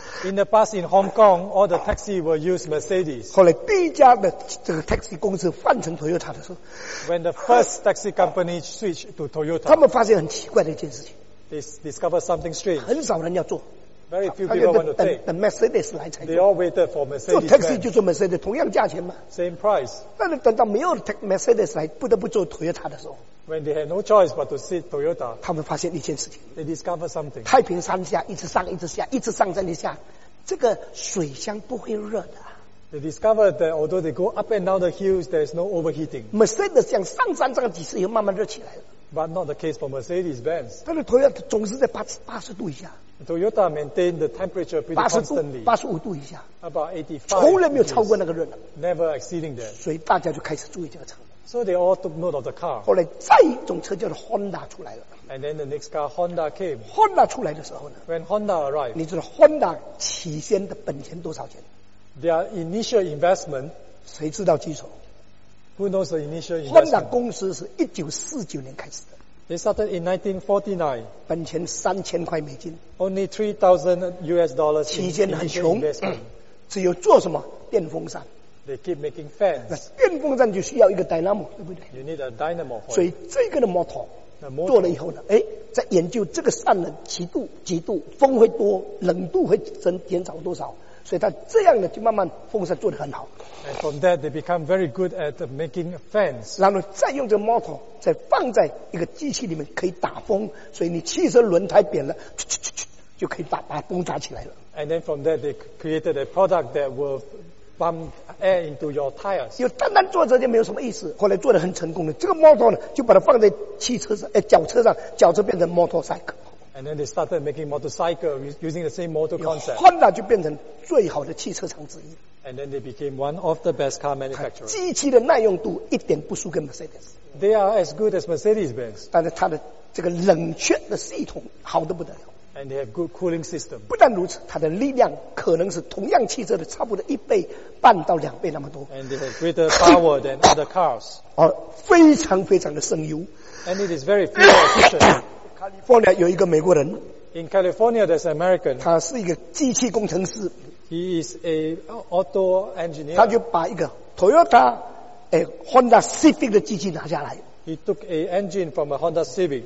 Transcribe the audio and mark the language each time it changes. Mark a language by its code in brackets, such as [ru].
[en] In the past in Hong Kong, all the taxi were used Mercedes. [zh] 后来第一家的这个 taxi 公司换成 Toyota 的时候 [en] ，When the first taxi company switched to Toyota, [zh] 他们发现很奇怪的一件事情。 [en] They discovered something strange. [zh] 很少人要做。 [en] Very few people want to take. [zh] 等 Mercedes 来才。 [en] They all waited for Mercedes. [zh] 坐 taxi 就坐 Mercedes， 同样价钱嘛。 [en] Same price. [zh] 但是等到没有 Mercedes 来，不得不坐 Toyota 的时候。 [en] When they had no choice but to sit Toyota. [zh] 他们发现一件事情。 [en] They discovered something. [zh] 太平山下一直上一直下一直上在那下，这个水箱不会热的。 [en] They discovered that although they go up and down the hills, there is no overheating. [zh] Mercedes 像上山上几次以后慢慢热起来了。 [en] But not the case for Mercedes-Benz. [zh] 但是 Toyota 总是在80度以下。 [en] Toyota maintained the temperature pretty constantly. [zh] 85度以下。 [en] About 85. [zh] 从来没有超过那个热的。 [en] Never exceeding that. [zh] 所以大家就开始注意这个车。 [en] So they all took note of the car. [zh] 后来再一种车叫做 Honda 出来了。 [en] And then the next car Honda came. [zh] Honda 出来的时候呢 [en] ？When Honda arrived. [zh] 你知道 Honda 起先的本钱多少钱 [en] ？Their initial investment. [zh] 谁知道基础？ [en] Who knows the initial investment? [zh] Honda 公司是1949年开始的。 [en] They started in 1949. [zh] 本钱$3,000。 [en] Only $3,000 [zh] 期间很穷，只有做什么电风扇。 [en] They keep making fans. [zh] 电风扇就需要一个 dynamo， 对不对 [en] ？You need a dynamo. [zh] 所以这个的 motor 做了以后呢，哎，在研究这个扇的几度，风会多，冷度会减少多少。所以他这样的就慢慢风扇做得很好。 [en] And from that they become very good at making fans. [zh] 然后再用这个 motor 再放在一个机器里面可以打风，所以你汽车轮胎扁了，啾啾啾啾就可以把风打起来了。 [en] And then from that they created a product that will pump air into your tires. [zh] 又单单做这就没有什么意思，后来做得很成功的，这个 motor 呢就把它放在汽车上，脚车上，脚车变成 motorcycle。 [en] And then they started making motorcycles using the same motor concept. [zh] Honda 就变成最好的汽车厂之一。 [en] And then they became one of the best car manufacturers. [zh] 机器的耐用度一点不输给 Mercedes. [en] They are as good as Mercedes-Benz. [zh] 但是它的这个冷却的系统好得不得了。 [en] And they have good cooling system. [zh] 不但如此，它的力量可能是同样汽车的差不多一倍半到两倍那么多。 [en] And they have greater power than other cars. [zh] 而非常非常的省油。 [en] And it is very fuel efficient. [zh] California 有一个美国人 [en] ，In California there's an American， [zh] 他是一个机器工程师 [en] ，He is a auto engineer， [zh] 他就把一个 Toyota， Honda Civic 的机器拿下来 [en] ，He took a engine from a Honda Civic，